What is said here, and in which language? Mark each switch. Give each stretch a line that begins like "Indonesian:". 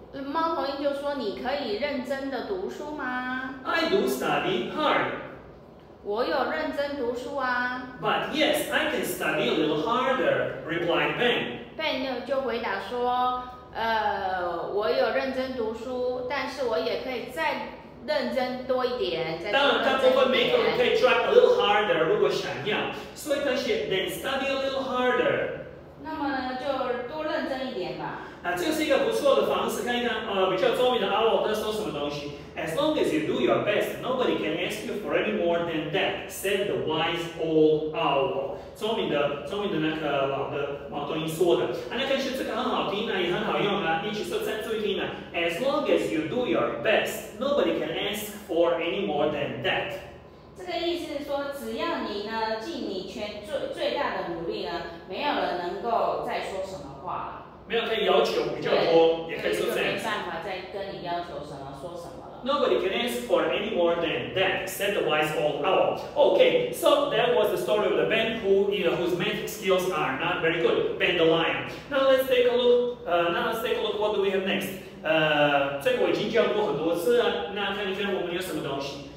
Chinese: 猫头鹰就说：“你可以认真的读书吗
English: ？”I do study hard.
Chinese: 我有认真读书啊。
English: But yes, I can study a little harder, replied Ben.
Chinese: Ben 就回答说：“我有认真读书，但是我也可以再认真多一点。” 当然，他不会每个人可以
English: try a little harder
Chinese: 如果想要，所以他写
English: then study a little harder.
Chinese: 那么呢，就多认真一点吧。这是一个不错的方式，看一看，比较聪明的 owl 他说什么东西。
English: As long as you do your best, nobody can ask you for any more than that, said the wise old owl.
Chinese: 聪明的那个老的猫头鹰说的。那看一下这个很好听啊，也很好用啊，一起说再注意听啊。
English: As long as you do your best, nobody can ask for any more than that.
Chinese: 这个意思是说，只要你呢尽你全最大的努力呢，没有人能够再说什么话了。没有可以要求比较多，也可以说这样子。没办法再跟你要求什么说什么了。
English: Nobody can ask for any more than that, said the wise old owl. Okay, so that was the story of the Ben whose math skills are not very good, Ben the lion. Now let's take a look. What do we have next?
Chinese: 这个我已经教过很多次了。那看一看我们有什么东西。